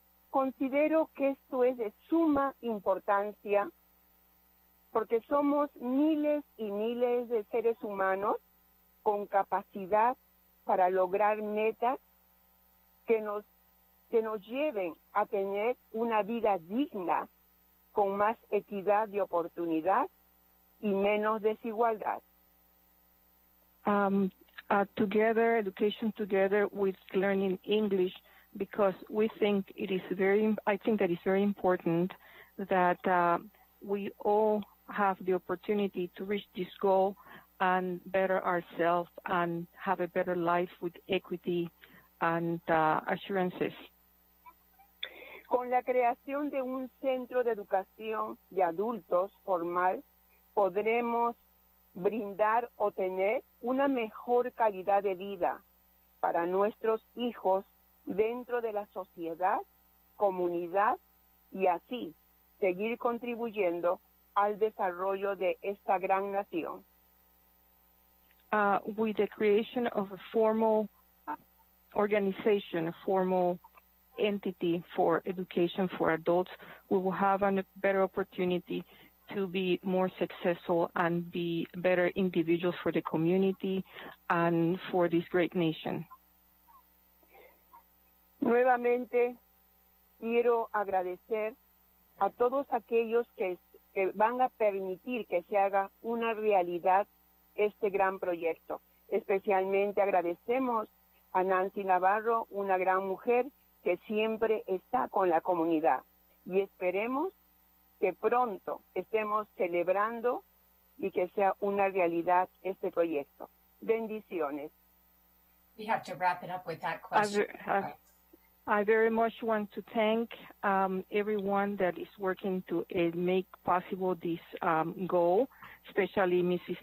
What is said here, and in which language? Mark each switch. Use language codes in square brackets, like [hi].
[es] Considero que esto es de suma importancia porque somos miles y miles de seres humanos con capacidad para lograr metas que nos lleven a tener una vida digna con más equidad de oportunidad y menos desigualdad. [en] Together, education together with learning English, because we think it is very, I think that it's very important that we all have the opportunity to reach this goal and better ourselves and have a better life with equity and assurances. [es] Con la creación de un centro de educación de adultos formal, podremos brindar o tener una mejor calidad de vida para nuestros hijos dentro de la sociedad, comunidad, y así seguir contribuyendo al desarrollo de esta gran nación. [en] With the creation of a formal organization, a formal entity for education for adults, we will have a better opportunity to be more successful and be better individuals for the community and for this great nation. [es] Nuevamente, quiero agradecer a todos aquellos que van a permitir que se haga una realidad este gran proyecto. Especialmente agradecemos a Nancy Navarro, una gran mujer que siempre está con la comunidad. Y esperemos que pronto estemos celebrando y que sea una realidad este proyecto. Bendiciones. [en] We have to wrap it up with that question. I very much want to thank everyone that is working to make possible this goal, especially Mrs.